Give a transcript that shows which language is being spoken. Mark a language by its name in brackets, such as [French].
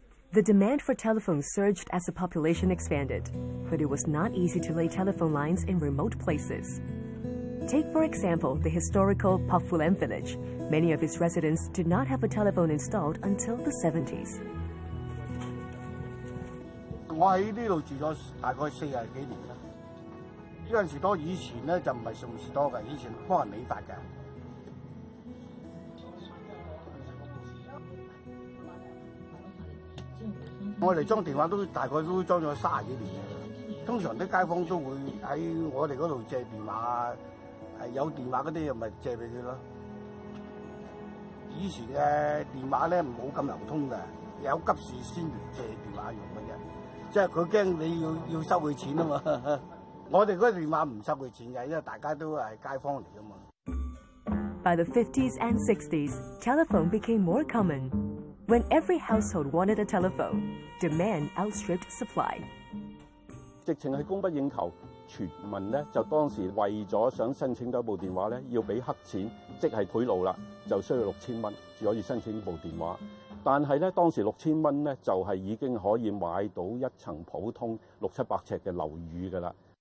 [English] The demand for telephones surged as the population expanded, but it was not easy to lay telephone lines in remote places. Take, for example, the historical Pafulen village. Many of its residents did not have a telephone installed until the 70s. [Cantonese] 我喺呢度住咗大概四十几年啦。呢阵时多，以前咧就唔系宋士多嘅，以前帮人理发嘅。我哋装电话都大概都装咗三十几年，通常啲街坊都会喺我哋嗰度借电话，有电话嗰啲又咪借俾佢咯。以前嘅电话咧冇咁流通嘅，有急事先借电话用嘅啫。即係佢驚你要收佢錢啊嘛！我哋嗰個電話唔收佢錢嘅，因為大家都係街坊嚟啊嘛。 [English] By the 50s and 60s, telephone became more common. When every household wanted a telephone, demand outstripped supply. [Cantonese] 直情係供不應求，全民咧就當時為咗想申請到一部電話咧，要俾黑錢，即係賄賂啦，就需要6000蚊至可以申請部電話。但是呢當時6000蚊呢就是已經可以買到一層普通600-700尺的樓宇的了。